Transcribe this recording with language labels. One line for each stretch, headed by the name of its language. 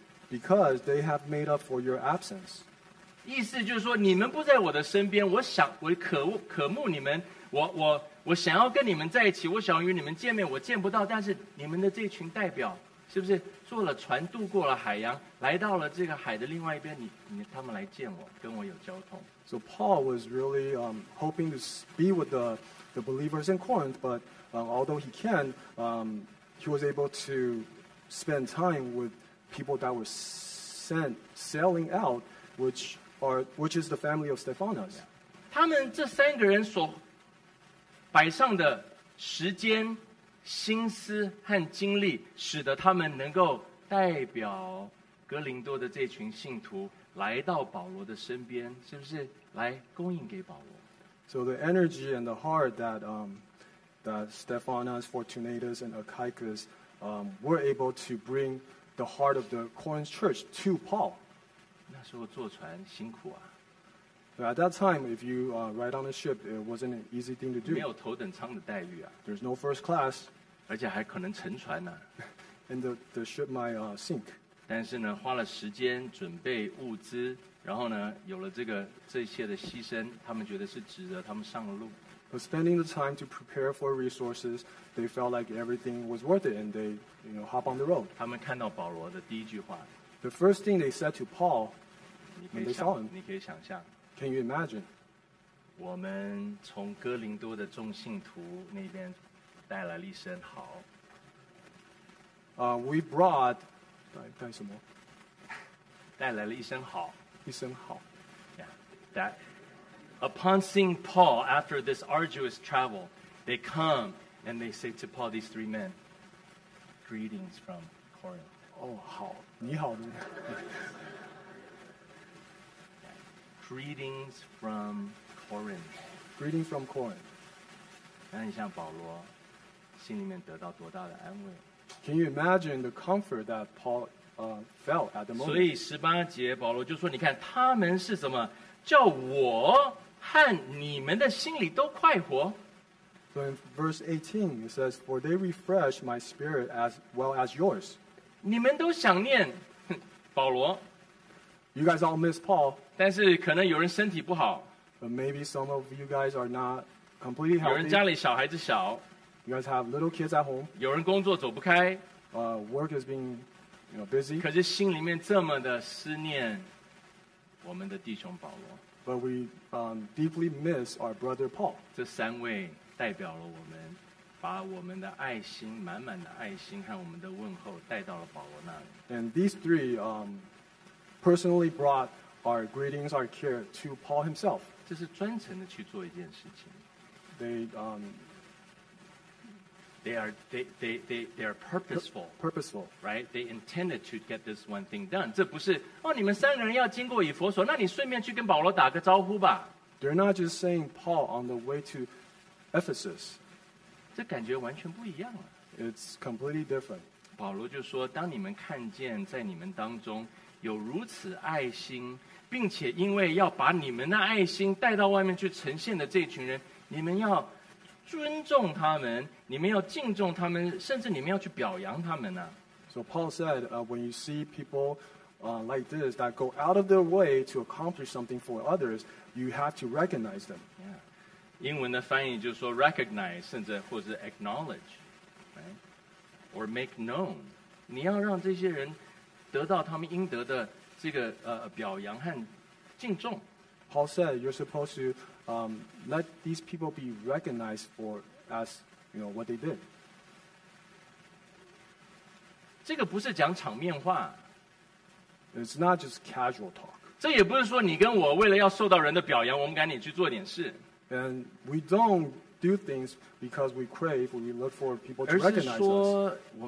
English: Because they have made up for your absence.
Chinese: 意思就是说，你们不在我的身边，我想，我渴慕你们，我想要跟你们在一起，我想与你们见面，我见不到，但是你们的这群代表，是不是坐了船渡过了海洋，来到了这个海的另外一边，他们来见我，跟我有交通。
English: So Paul was really hoping to be with the believers in Corinth, but although he can, he was able to spend time with people that were sailing out, which is the family of Stephanas.
Chinese: 他们这三个人所摆上的时间、心思和精力，使得他们能够代表哥林多的这群信徒来到保罗的身边，是不是来供应给保罗
English: ？So the energy and the heart that Stephanas, Fortunatus, and Achaicus were able to bring the heart of the Corinth church to Paul.
Chinese: 那时候坐船辛苦啊。
English: But at that time, if you ride on a ship, it wasn't an easy thing to do.
Chinese: 没有头等舱的待遇啊。
English: There's no first class.
Chinese: 而且还可能沉船呢。
English: And the ship might sink.
Chinese: 但是呢，花了时间准备物资，然后呢，有了这些的牺牲，他们觉得是值得，他们上了路。
English: But spending the time to prepare for resources, they felt like everything was worth it, and they, hop on the road.
Chinese: 他们看到保罗的第一句话。
English: The first thing they said to Paul, when they saw him.
Chinese: 你可以想象。
English: Can you imagine?
Chinese: 我们从哥林多的众信徒那边带来了一身好。
English: We brought
Chinese: 带什么？带来了一身好。一身好。
English: Yeah. That upon seeing Paul after this arduous travel, they come and they say to Paul, these three men, greetings from Corinth.
Chinese: Oh, 好，你好的。
English: Greetings from Corinth. Greetings from Corinth.
Chinese: 那你像保罗，心里面得到多大的安慰
English: ？Can you imagine the comfort that Paul felt at the moment?
Chinese: 所以十八节保罗就说：“你看他们是怎么叫我和你们的心里都快活。”
English: So in verse 18, it says, "For they refresh my spirit as well as yours."
Chinese: 你们都想念保罗。
English: You guys all miss Paul.
Chinese: 但是可能有人身体不好。
English: But maybe some of you guys are not completely healthy.
Chinese: 有人家里小孩子小。
English: You guys have little kids at home.
Chinese: 有人工作走不开。
English: Work is being, busy.
Chinese: 可是心里面这么的思念我们的弟兄保罗。
English: But we deeply miss our brother Paul.
Chinese: 这三位代表了我们，把我们的爱心，满满的爱心和我们的问候带到了保罗那里。
English: And these three, personally brought our greetings, our care to Paul himself. 这是专程的去做一件事情。 They are purposeful. Purposeful, right? They intended to get this one thing done.
Chinese: 这不是哦，你们三个人要经过以弗所，那你顺便去跟保罗打个招呼吧。
English: They're not just saying Paul on the way to Ephesus.
Chinese: 这感觉完全不一样了。
English: It's completely different.
Chinese: 保罗就说，当你们看见在你们当中有如此爱心，并且因为要把你们的爱心带到外面去呈现的这群人，你们要尊重他们，你们要敬重他们，甚至你们要去表扬他们呢。
English: So Paul said, when you see people, like this that go out of their way to accomplish something for others, you have to recognize them.
Chinese: Yeah. 英文的翻译就是说 recognize 甚至或者 acknowledge,
English: right? Or make known.
Chinese: 你要让这些人得到他们应得的这个表扬和敬重。
English: Paul said you're supposed to let these people be recognized for as you know what they did.
Chinese: 这个不是讲场面话。
English: It's not just casual talk.
Chinese: 这也不是说你跟我为了要受到人的表扬，我们赶紧去做点事。
English: And we don't do things because we crave, we look for people to recognize us.